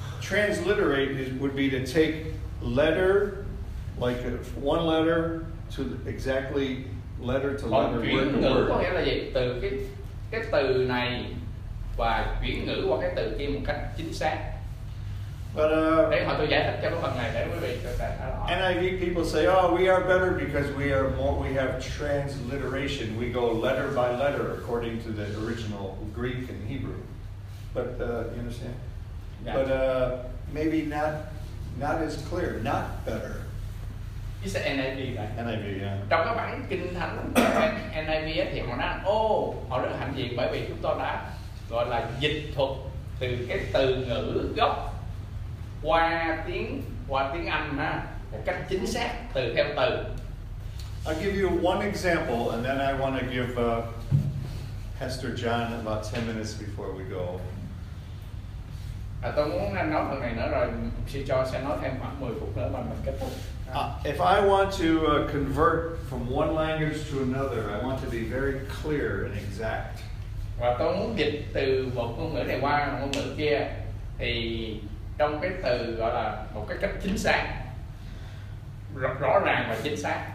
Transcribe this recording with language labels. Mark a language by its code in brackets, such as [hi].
[en] Transliterate would be to take letter, like one letter to exactly letter to letter, word to word. [vi] Chuyển ngữ có nghĩa là gì? Từ cái từ này và chuyển ngữ qua cái từ kia một cách chính xác. [en] But, [vi] để mà tôi giải thích cho cái phần này để quý vị cho [en] cả NIV people say, oh, we are better because we are more, we have transliteration. We go letter by letter according to the original Greek and Hebrew. But you understand? Yeah. But maybe not as clear, not better. You said NIV, right? NIV, yeah. [vi] Trong cái bản kinh thánh NIV thì họ nói, oh, họ rất hạnh diện bởi vì chúng tôi đã gọi là dịch thuật từ cái từ ngữ gốc qua tiếng Anh ha, một cách chính xác từ theo từ. [en] I'll give you one example and then I want to give Pastor John about 10 minutes before we go. [vi] À, tôi muốn anh nói phần này nữa rồi sư cho sẽ nói thêm khoảng 10 phút nữa mà mình kết thúc. [en] If I want to convert from one language to another, I want to be very clear and exact. [vi] Và tôi muốn dịch từ một ngôn ngữ này qua ngôn ngữ kia thì trong cái từ gọi là một cái cách chính xác, rõ ràng và chính xác.